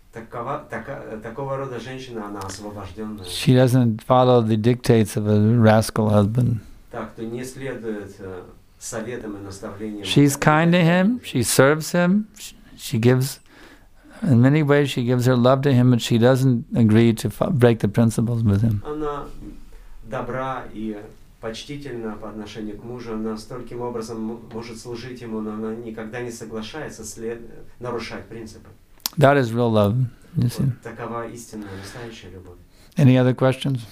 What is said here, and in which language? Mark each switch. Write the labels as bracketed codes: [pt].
[ru] Такого рода женщина, она освобожденная. [en] She doesn't follow the dictates of a rascal husband. [ru] Так, то не следует советам и наставлениям. [en] She's kind to him, she serves him, she gives, in many ways she gives her love to him, but she doesn't agree to break the principles with him. [ru] Она добра и почтительно по отношению к мужу, она стольким образом может служить ему, но она никогда не соглашается нарушать принципы. [en] That is real love, you see. [ru] Вот такова истинная, настоящая любовь. [en] Any other questions?